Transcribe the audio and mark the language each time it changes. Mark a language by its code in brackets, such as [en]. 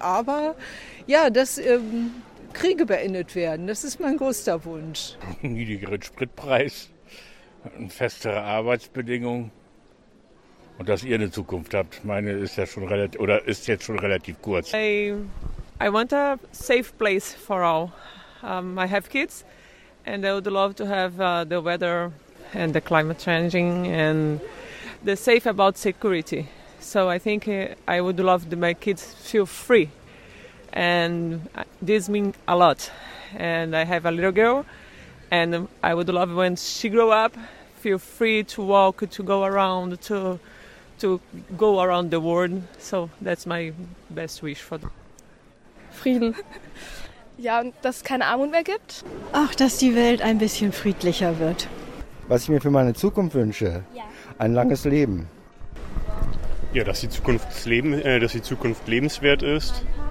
[de] Aber ja, dass Kriege beendet werden, das ist mein größter Wunsch. Niedrigeren Spritpreis, festere Arbeitsbedingungen. Und dass ihr eine Zukunft habt, meine ist ja schon relativ, oder ist jetzt schon relativ kurz. [en] I want a safe place for all. I have kids and I would love to have the weather and the climate changing and the safe about security. So I think I would love that my kids feel free. And this means a lot. And I have a little girl and I would love when she grow up, feel free to walk, to go around, to go around the world, so that's my best wish for them. [de] Frieden. Ja, und dass es keine Armut mehr gibt. Ach, dass die Welt ein bisschen friedlicher wird. Was ich mir für meine Zukunft wünsche? Ja. Ein langes Leben. Ja, dass die Zukunft, lebenswert ist.